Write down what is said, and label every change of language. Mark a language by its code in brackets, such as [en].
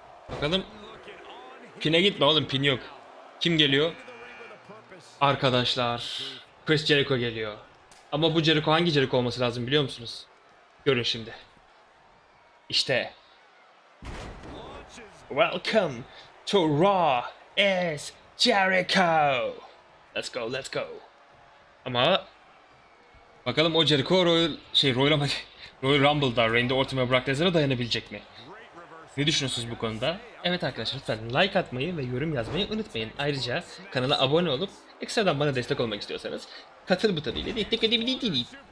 [tr] Bakalım. Pin'e gitme oğlum, pin yok. Kim geliyor? Arkadaşlar. Chris Jericho geliyor. Ama bu Jericho hangi Jericho olması lazım biliyor musunuz? Görün şimdi. İşte. [en] Welcome to Raw is Jericho. Let's go. [tr] Ama bakalım o Jericho Royal Rumble'da Randy Orton ve Brock Lesnar'a dayanabilecek mi? Ne düşünüyorsunuz bu konuda? Evet arkadaşlar, lütfen like atmayı ve yorum yazmayı unutmayın. Ayrıca kanala abone olup ekstradan bana destek olmak istiyorsanız katıl butonuyla destek edebilirsiniz.